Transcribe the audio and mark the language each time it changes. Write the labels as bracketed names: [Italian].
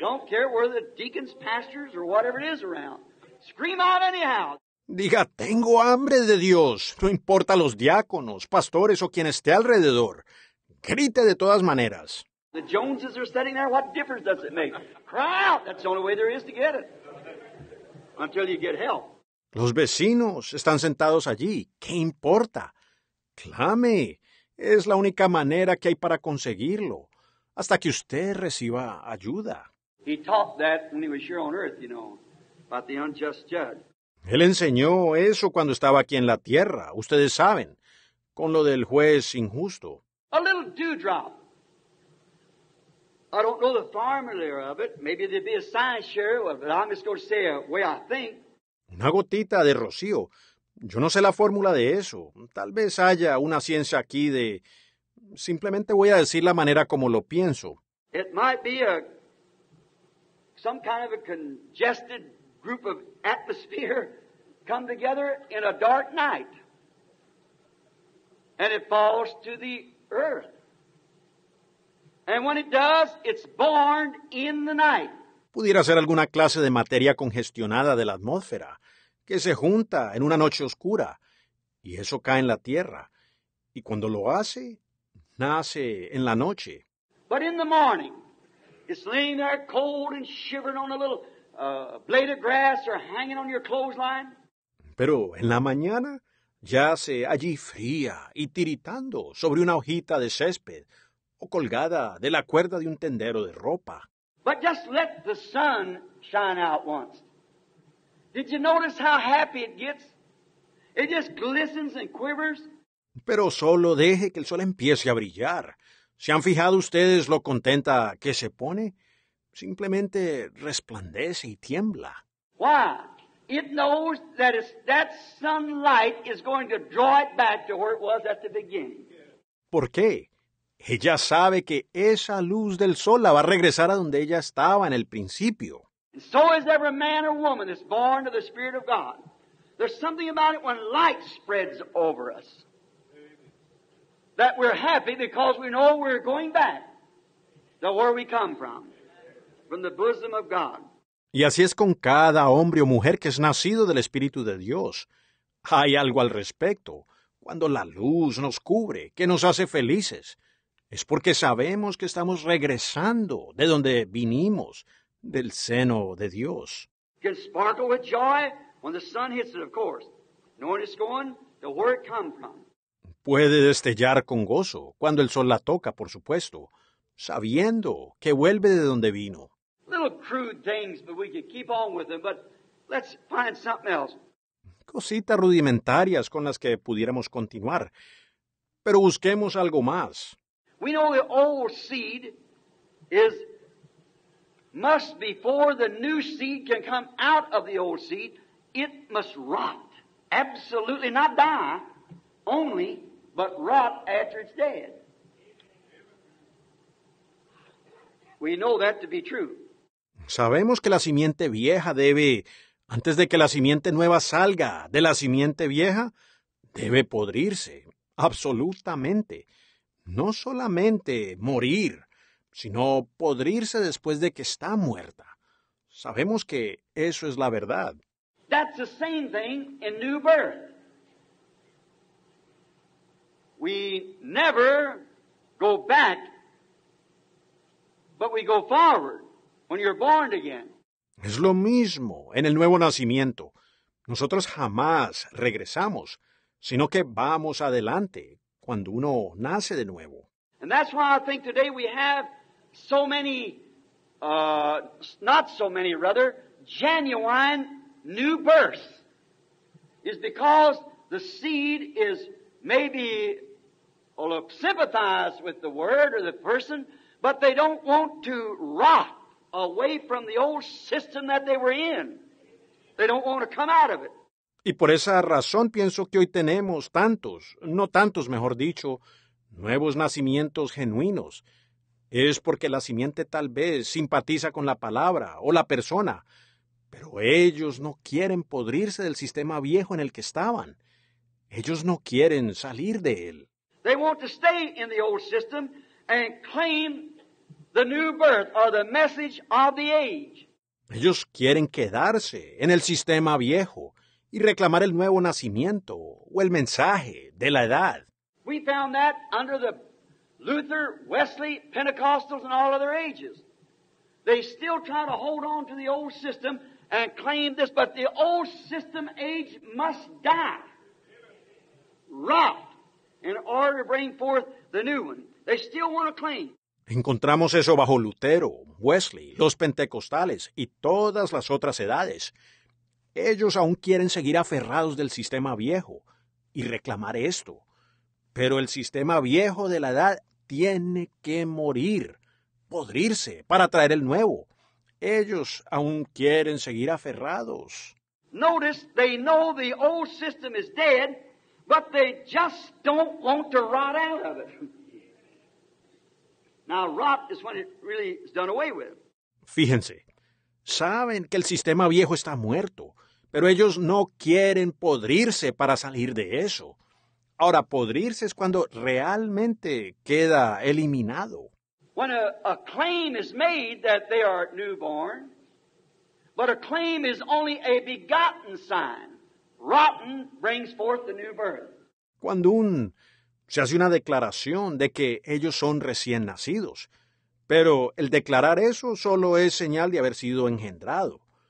[English] Don't care where the deacons, pastors, or whatever it is around. Scream out anyhow. [Spanish] Diga, tengo hambre de Dios. No importa los diáconos, pastores o quien esté alrededor. Grite de todas maneras. [English] The Joneses are sitting there. What difference does it make? Cry out. That's the only way there is to get it. Until you get help. [Spanish] Los vecinos están sentados allí. ¿Qué importa? Clame. Es la única manera que hay para conseguirlo. Hasta que usted reciba ayuda. [English] He taught that when he was here on earth, you know, about the unjust judge. [Spanish] Él enseñó eso cuando estaba aquí en la tierra, ustedes saben, con lo del juez injusto. [English] A little dewdrop. I don't know the formula of it. Maybe there'd be a science share, but I'm just going to say it the way I think. [Spanish] Una gotita de rocío. Yo no sé la fórmula de eso. Tal vez haya una ciencia aquí de... Simplemente voy a decir la manera como lo pienso. [English] It might be a... some kind of a congested... group of atmosphere come together in a dark night and it falls to the earth. And when it does, it's born in the night. [Spanish] Pudiera ser alguna clase de materia congestionada de la atmósfera que se junta en una noche oscura y eso cae en la tierra. Y cuando lo hace, nace en la noche. [English] But in the morning, it's laying there cold and shivering on a little... blade of grass or hanging on your clothesline. [Spanish] Pero en la mañana yace allí fría y tiritando sobre una hojita de césped o colgada de la cuerda de un tendero de ropa. [English] But just let the sun shine out once. Did you notice how happy it gets? It just glistens and quivers. [Spanish] Pero solo deje que el sol empiece a brillar. ¿Se han fijado ustedes lo contenta que se pone? Simplemente resplandece y tiembla. [English] Why? It knows that it's that sunlight is going to draw it back to where it was at the beginning. [Spanish] ¿Por qué? Ella sabe que esa luz del sol la va a regresar a donde ella estaba en el principio. [English] And so is every man or woman that's born of the Spirit of God. There's something about it when light spreads over us. That we're happy because we know we're going back to where we come from the bosom of God. [Spanish] Y así es con cada hombre o mujer que es nacido del Espíritu de Dios. Hay algo al respecto. Cuando la luz nos cubre, que nos hace felices, es porque sabemos que estamos regresando de donde vinimos, del seno de Dios. [English] Can sparkle with joy when the sun hits it, of course. Knowing it's going to where it come from. [Spanish] Puede destellar con gozo cuando el sol la toca, por supuesto, sabiendo que vuelve de donde vino. [English] Little crude things, but we can keep on with them, but let's find something else. [Spanish] Cositas rudimentarias con las que pudiéramos continuar, pero busquemos algo más. [English] We know the old seed is must before the new seed can come out of the old seed, it must rot. Absolutely not die, only but rot after it's dead. We know that to be true. [Spanish] Sabemos que la simiente vieja debe, antes de que la simiente nueva salga de la simiente vieja, debe podrirse, absolutamente. No solamente morir, sino podrirse después de que está muerta. Sabemos que eso es la verdad. [English] That's the same thing in new birth. We never go back, but we go forward when you're born again. [Spanish] Es lo mismo en el nuevo nacimiento. Nosotros jamás regresamos, sino que vamos adelante cuando uno nace de nuevo. [English] And that's why I think today we have so many, not so many rather, genuine new births. It's because the seed is maybe... Well, look, sympathize with the word or the person, but they don't want to rot away from the old system that they were in. They don't want to come out of it. [Spanish] Y por esa razón pienso que hoy tenemos tantos, no tantos, mejor dicho, nuevos nacimientos genuinos. Es porque la simiente tal vez simpatiza con la palabra o la persona, pero ellos no quieren podrirse del sistema viejo en el que estaban. Ellos no quieren salir de él. [English] They want to stay in the old system and claim the new birth or the message of the age. [Spanish] Ellos quieren quedarse en el sistema viejo y reclamar el nuevo nacimiento o el mensaje de la edad. [English] We found that under the Luther, Wesley, Pentecostals and all other ages. They still try to hold on to the old system and claim this, but the old system age must die. Rot. In order to bring forth the new one. They still want to claim. [Spanish] Encontramos eso bajo Lutero, Wesley, los pentecostales y todas las otras edades. Ellos aún quieren seguir aferrados del sistema viejo y reclamar esto. Pero el sistema viejo de la edad tiene que morir, podrirse, para traer el nuevo. Ellos aún quieren seguir aferrados. [English] Notice they know the old system is dead. But they just don't want to rot out of it. Now, rot is when it really is done away with. [Spanish] Fíjense, saben que el sistema viejo está muerto, pero ellos no quieren podrirse para salir de eso. Ahora, podrirse es cuando realmente queda eliminado. [English] When a claim is made that they are newborn, but a claim is only a begotten sign. Rotten brings forth the new birth. [Spanish] Cuando se hace una declaración de que ellos son recién nacidos, pero el declarar eso solo es señal de haber sido engendrado.